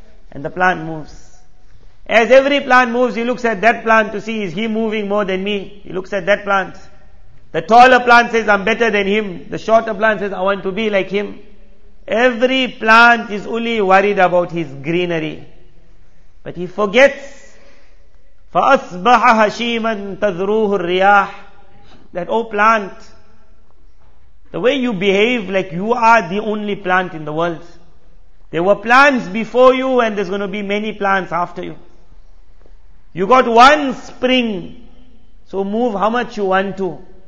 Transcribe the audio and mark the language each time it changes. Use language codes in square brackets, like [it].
[en] And the plant moves. As every plant moves, he looks at that plant to see, is he moving more than me? He looks at that plant. The taller plant says, I'm better than him. The shorter plant says, I want to be like him. Every plant is only worried about his greenery. But he forgets, [ar] فَأَصْبَحَ هَشِيمًا تَذْرُوهُ الرِّيَاحِ. [en] That, oh plant, the way you behave like you are the only plant in the world. There were plants before you and there's going to be many plants after you. You got one spring, so move how much you want to.